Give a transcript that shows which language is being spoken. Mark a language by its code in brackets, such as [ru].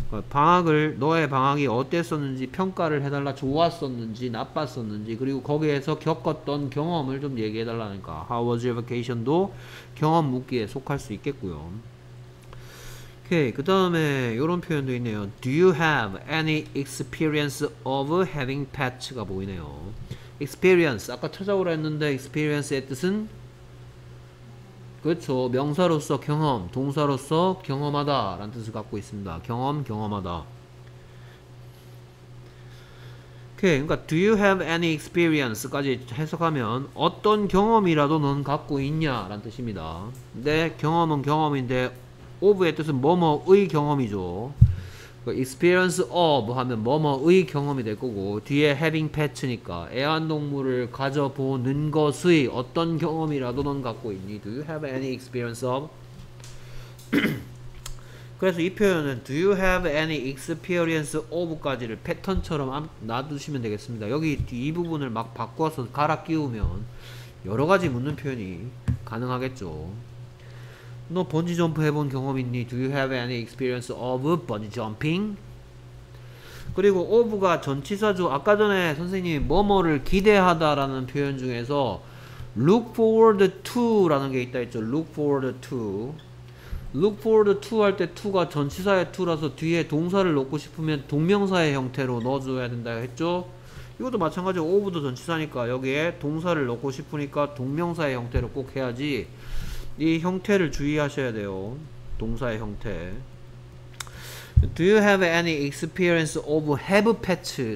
[ko] 방학을 너의 방학이 어땠었는지 평가를 해달라. 좋았었는지 나빴었는지 그리고 거기에서 겪었던 경험을 좀 얘기해달라니까. [en] How was your vacation [ko] 도 경험 묻기에 속할 수 있겠고요. 오케이, 그 다음에 이런 표현도 있네요. [en] Do you have any experience of having pets가 [ko] 보이네요. Experience, 아까 찾아오라 했는데 experience의 뜻은? 그렇죠. 명사로서 경험, 동사로서 경험하다 라는 뜻을 갖고 있습니다. 경험, 경험하다. 오케이, 그러니까 [en] Do you have any experience [ko] 까지 해석하면 어떤 경험이라도 넌 갖고 있냐 라는 뜻입니다. 근데 경험은 경험인데 of의 뜻은 뭐뭐의 경험이죠. experience of 하면 뭐뭐의 경험이 될 거고 뒤에 [en] having pets [ko] 니까 애완동물을 가져보는 것의 어떤 경험이라도 넌 갖고 있니? [en] Do you have any experience of? [ko] 그래서 이 표현은 [en] Do you have any experience of [ko] 까지를 패턴처럼 놔두시면 되겠습니다. 여기 이 부분을 막 바꿔서 갈아 끼우면 여러 가지 묻는 표현이 가능하겠죠. 너 번지 점프 해본 경험 있니? [en] Do you have any experience of bungee jumping? [ko] 그리고 of가 전치사죠. 아까 전에 선생님이 뭐뭐를 기대하다 라는 표현 중에서 look forward to 라는 게 있다 했죠. look forward to. look forward to 할 때 to가 전치사의 to라서 뒤에 동사를 넣고 싶으면 동명사의 형태로 넣어줘야 된다 했죠. 이것도 마찬가지로 of도 전치사니까 여기에 동사를 넣고 싶으니까 동명사의 형태로 꼭 해야지 이 형태를 주의하셔야 돼요. 동사의 형태. [en] Do you have any experience of have pets?